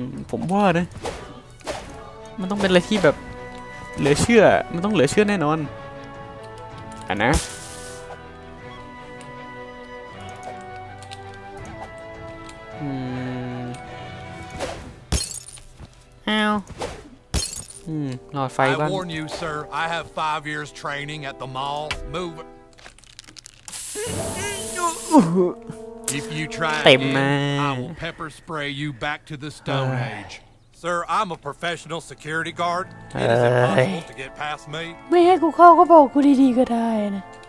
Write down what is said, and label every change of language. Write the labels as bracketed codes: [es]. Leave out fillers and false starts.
[th] ผมว่านะมันต้องเป็นอะไรที่แบบเหลือเชื่อมันต้องเหลือเชื่อแน่นอนอันนะเอ้ารอดไฟบ้าง [en] I warn you sir I have 5 years training at the mall move If you try again, I will pepper spray you back to the Stone Age. Sir, I'm a professional security guard. It is impossible to get past me. [th] ไม่ให้กูเข้าก็บอกกูดีๆก็ได้นะ